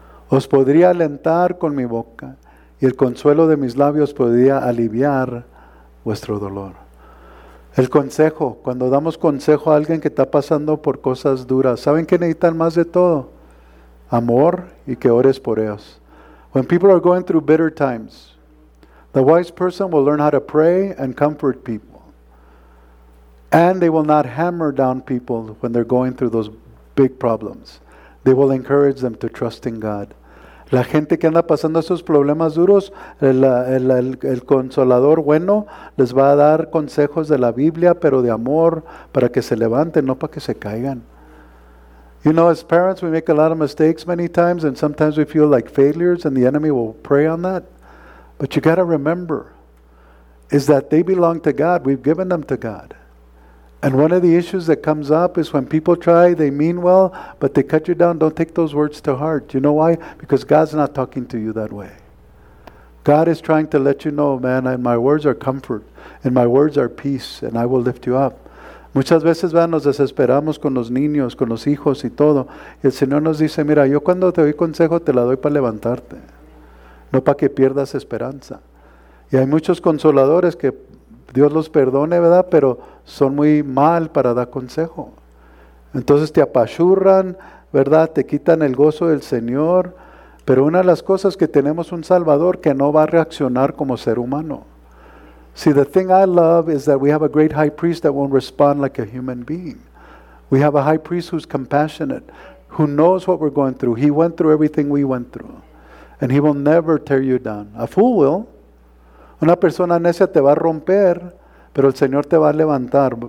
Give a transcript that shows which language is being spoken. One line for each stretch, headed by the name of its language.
Spanish: Os podría alentar con mi boca y el consuelo de mis labios podría aliviar vuestro dolor. El consejo, cuando damos consejo a alguien que está pasando por cosas duras, ¿saben qué necesitan más de todo? Amor y que ores por ellos.
English: When people are going through bitter times, the wise person will learn how to pray and comfort people. And they will not hammer down people when they're going through those big problems. They will encourage them to trust in God.
Spanish: La gente que anda pasando esos problemas duros, el consolador bueno les va a dar consejos de la Biblia, pero de amor, para que se levanten, no para que se caigan.
English: You know, as parents, we make a lot of mistakes many times, and sometimes we feel like failures, and the enemy will prey on that. But you got to remember, is that they belong to God. We've given them to God. And one of the issues that comes up is when people try, they mean well, but they cut you down. Don't take those words to heart. You know why? Because God's not talking to you that way. God is trying to let you know, man, and my words are comfort, and my words are peace, and I will lift you up.
Spanish: Muchas veces, ¿verdad? Nos desesperamos con los niños, con los hijos y todo. Y el Señor nos dice, mira, yo cuando te doy consejo, te la doy para levantarte. No para que pierdas esperanza. Y hay muchos consoladores que Dios los perdone, ¿verdad? Pero son muy mal para dar consejo. Entonces te apachurran, ¿verdad? Te quitan el gozo del Señor. Pero una de las cosas que tenemos un Salvador que no va a reaccionar como ser humano.
English: See, the thing I love is that we have a great high priest that won't respond like a human being. We have a high priest who's compassionate, who knows what we're going through. He went through everything we went through. And he will never tear you down. A fool will.
Spanish: Una persona necia te va a romper, pero el Señor te va a levantar.